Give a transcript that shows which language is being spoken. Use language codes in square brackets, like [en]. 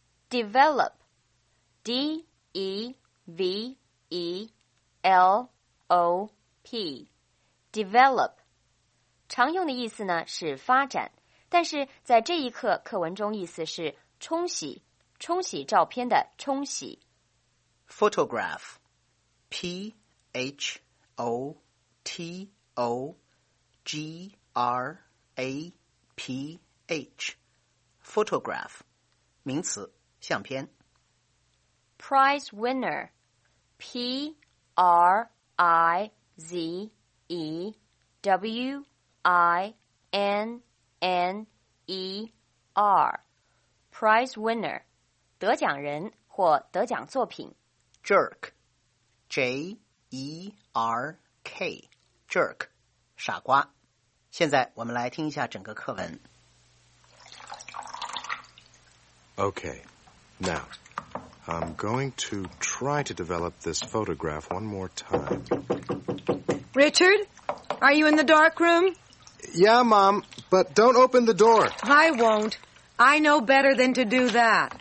[zh] Develop， D-E-V-E-L-O-P， Develop 常用的意思呢是发展，但是在这一课课文中意思是冲洗，冲洗照片的冲洗。 Photograph， P-H-O-T-O-G-R-A-P-H， Photograph 名词，相片。 Prize winner， P-R-I-Z-E-W-I-N-N-E-R， Prize winner得奖人或得奖作品。 Jerk， J-E-R-K， Jerk， 傻瓜。现在我们来听一下整个课文。 [en] Okay, now, I'm going to try to develop this photograph one more time. Richard, are you in the dark room? Yeah, Mom, but don't open the door. I won't. I know better than to do that.